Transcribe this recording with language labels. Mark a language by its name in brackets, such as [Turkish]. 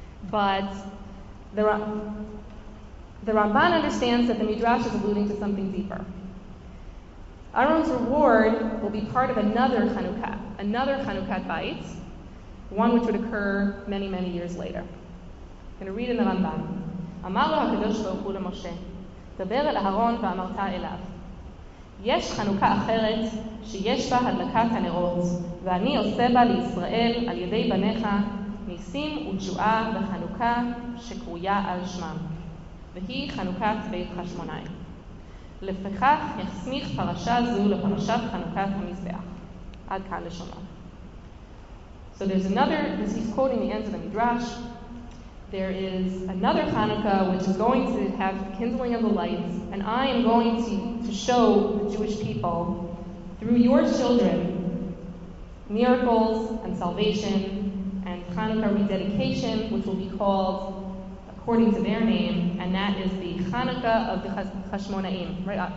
[English] But the Ramban understands that the Midrash is alluding to something deeper. Aaron's reward will be part of another Chanukah bait, one which would occur many, many years later. I'm going to read in the Rambam. [Hebrew] Amar lo HaKadosh Baruch Hu LeMoshe, Daber el Aaron ve'amarta elav. יש חנוכה אחרת שיש בה הדלקת הנרות, ואני עושה בה לישראל על ידי בניך ניסים ותשועה בחנוכה שקרויה על שמם, והיא חנוכת בית חשמונאי. לפיכך יסמיך פרשה זו לפרשת חנוכת המזבח. עד כאן לשונה. [English] So there's another, this is quoting the ends of the Midrash, there is another Hanukkah which is going to have kindling of the lights, and I am going to show the Jewish people through your children miracles and salvation and Hanukkah rededication, which will be called according to their name, and that is the Hanukkah of the Chashmonaim, right?